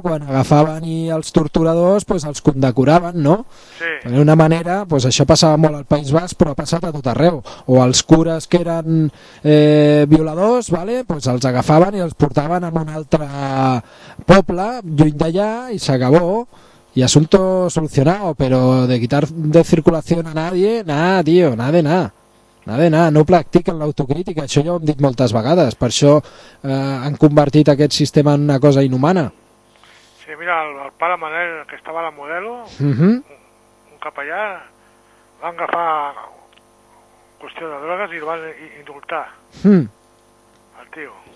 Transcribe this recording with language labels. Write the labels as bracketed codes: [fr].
[ca] Quan agafaven i els torturadors pues, els condecoraven, no? Sí. D'una manera, pues, això passava molt al País Basc, però ha passat a tot arreu. O els cures que eren violadors, ¿vale? Pues, els agafaven i els portaven a un altre poble, lluny d'allà, i s'acabó. [es] Y asunto solucionado, pero de quitar de circulación a nadie, nada, tío, nada de nada. Nada de nada, [ca] no practiquen l'autocrítica, això ja ho hem dit moltes vegades, per això han convertit aquest sistema en una cosa inhumana. Sí, mira, el pare Manel, que estava a la Modelo, un capellà, van agafar qüestió de drogues i el van indultar, el tio.